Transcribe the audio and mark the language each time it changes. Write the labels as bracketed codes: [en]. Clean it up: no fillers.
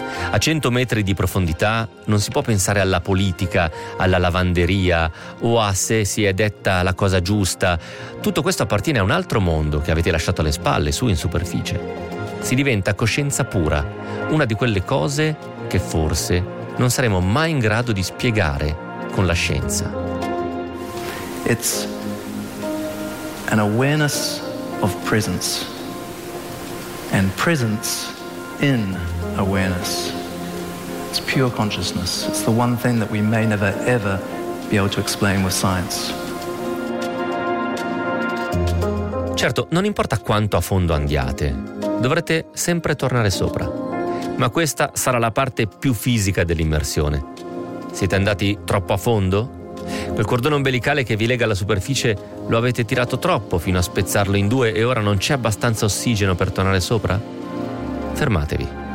[it] A 100 metri di profondità non si può pensare alla politica, alla lavanderia o a se si è detta la cosa giusta. Tutto questo appartiene a un altro mondo che avete lasciato alle spalle, su in superficie. Si diventa coscienza pura, una di quelle cose che forse non saremo mai in grado di spiegare con la scienza. [en] It's an awareness of presence and presence in awareness. It's pure consciousness. It's the one thing that we may never ever be able to explain with science. [it] Certo, non importa quanto a fondo andiate, dovrete sempre tornare sopra. ma questa sarà la parte più fisica dell'immersione. Siete andati troppo a fondo? Quel cordone ombelicale che vi lega alla superficie lo avete tirato troppo fino a spezzarlo in due e ora non c'è abbastanza ossigeno per tornare sopra? Fermatevi.